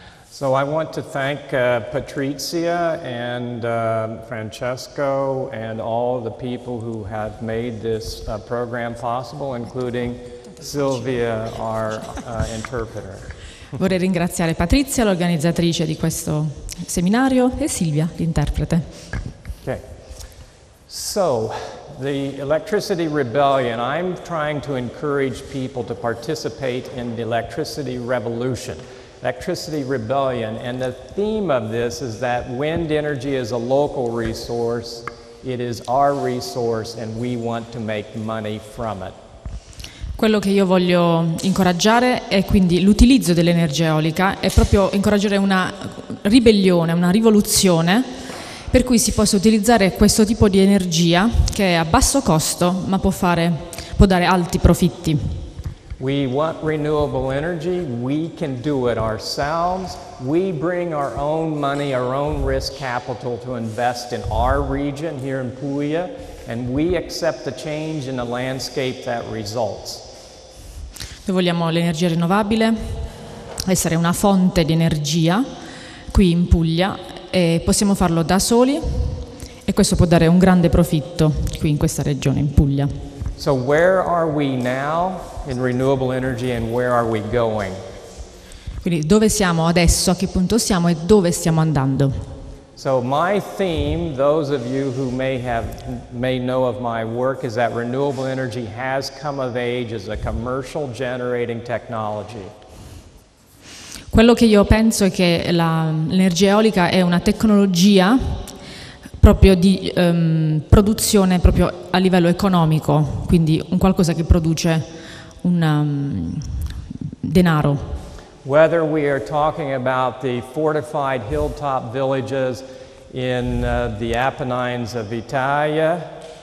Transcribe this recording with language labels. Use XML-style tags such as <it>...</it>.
<en>So I want to thank Patrizia and Francesco and all the people who have made this program possible, including Silvia, our interpreter.</en> <it>Vorrei ringraziare Patrizia, l'organizzatrice di questo seminario, e Silvia, l'interprete.</it> <en>So, the electricity rebellion, I'm trying to encourage people to participate in the electricity revolution, electricity rebellion, and the theme of this is that wind energy is a local resource, it is our resource, and we want to make money from it.</en> <it>Quello che io voglio incoraggiare è quindi l'utilizzo dell'energia eolica, è proprio incoraggiare una ribellione, una rivoluzione per cui si possa utilizzare questo tipo di energia che è a basso costo, ma può dare alti profitti.</it> <en>We want renewable energy. We can do it ourselves. We bring our own money, our own risk capital to invest in our region here in Puglia, and we accept the change in the landscape that results.</en> <it>Noi vogliamo l'energia rinnovabile, essere una fonte di energia qui in Puglia e possiamo farlo da soli e questo può dare un grande profitto qui in questa regione, in Puglia.</it> <en>So where are we now in renewable energy and where are we going?</en> <it>Quindi dove siamo adesso, a che punto siamo e dove stiamo andando?</it> <en>So my theme, those of you who may know of my work, is that renewable energy has come of age as a commercial generating technology.</en> <it>Quello che io penso è che l'energia eolica è una tecnologia proprio di produzione proprio a livello economico, quindi un qualcosa che produce un denaro.</it> <en>Whether we are talking about the fortified hilltop villages in the Apennines of Italia,</en>